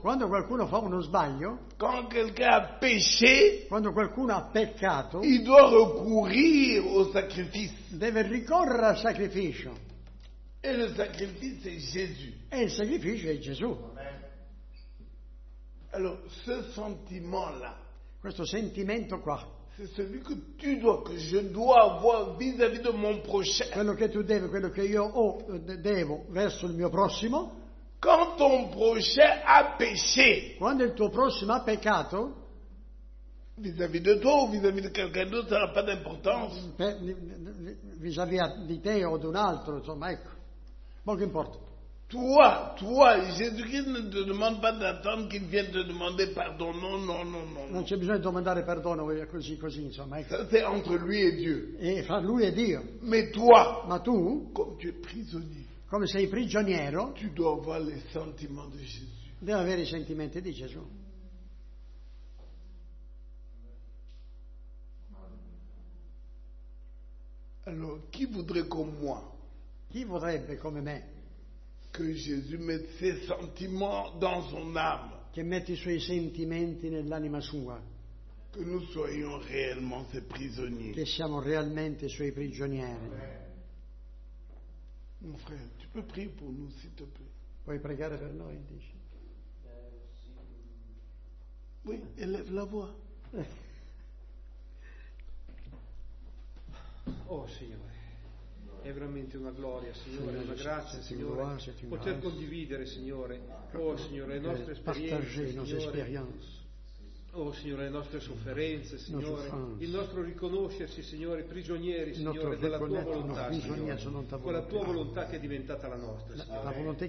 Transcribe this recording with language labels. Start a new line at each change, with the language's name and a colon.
Italian: quando qualcuno fa uno sbaglio,
French: quand quelqu'un a péché,
Italian: quando qualcuno ha peccato,
French: il doit recourir au sacrifice.
Italian: Deve ricorrere al sacrificio.
French: Et le sacrifice est Jésus.
Italian: E il sacrificio è Gesù.
French: Amen. Alors, ce sentiment-là,
Italian: questo sentimento qua,
French: c'est celui que tu dois, que je dois avoir vis-à-vis de mon prochain.
Italian: Quello che tu devi, quello che io ho, devo verso il mio prossimo.
French: Quand ton prochain a péché,
Italian: quando il tuo prossimo ha peccato,
French: vis-à-vis de toi ou vis-à-vis de quelqu'un d'autre, ça n'a pas d'importance.
Italian: Vis-à-vis di te o d'un altro, insomma, ecco. Poco importa.
French: Toi, Jésus-Christ ne te demande pas d'attendre qu'il vienne te demander pardon.
Italian: Non. Non c'è bisogno di domandare perdono, così, insomma.
French: Ça, c'est entre lui et Dieu.
Italian: E fra lui e Dio.
French: Mais toi,
Italian: ma tu,
French: comme tu es prisonnier,
Italian: come sei prigioniero,
French: tu dois avoir les sentiments de Jésus.
Italian: Devi avere i sentimenti di Gesù.
French: Alors, qui voudrait comme moi?
Italian: Chi vorrebbe come me?
French: Que Jésus mette ses sentiments dans son âme.
Italian: Che mette i suoi sentimenti nell'anima sua.
French: Que nous soyons réellement ses prisonniers.
Italian: Che siamo realmente suoi prigionieri.
French: Mon frère, tu peux prier pour nous, s'il te plaît.
Italian: Puoi pregare per noi, dice.
French: Oui, élève la voix.
Italian: Oh, Signore. È veramente una gloria, Signore, una grazia, Signore, poter condividere, Signore, oh Signore, le nostre esperienze, Signore, oh Signore, le nostre sofferenze, Signore, il nostro riconoscersi, Signore, prigionieri, Signore, della tua volontà, Signore, con la tua volontà che è diventata la nostra, Signore,